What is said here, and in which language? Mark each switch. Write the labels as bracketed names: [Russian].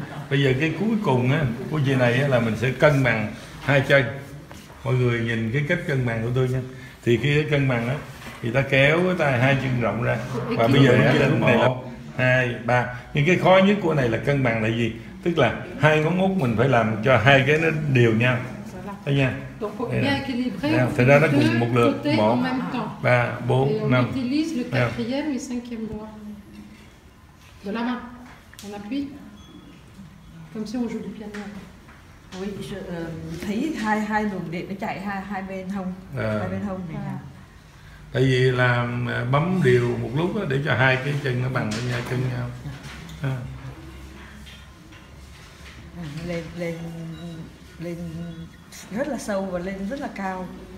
[Vietnamese] Bây giờ cái cuối cùng á, của chị này á, là mình sẽ cân bằng hai chân. Mọi người nhìn cái cách cân bằng của tôi nha. Thì khi cân bằng á thì ta kéo cái tay hai chân rộng ra. Và bây giờ lên này là 2 3, nhưng cái khó nhất của này là cân bằng là gì, tức là hai ngón út mình phải làm cho hai cái nó đều nhau. Là [French] Bien. Donc, bien équilibré, bien. Deux côtés bon. En même temps. Bon, et on non. utilise le quatrième et cinquième doigt. De la main. On appuie. Comme si on joue du piano. Oui, [Vietnamese] je thấy hai hai luồng điện nó chạy hai hai bên hông, hai bên hông này. Tại vì làm bấm đều một lúc đó để cho hai cái chân nó bằng với nhau chân nhau. Lên lên lên rất là sâu và lên rất là cao.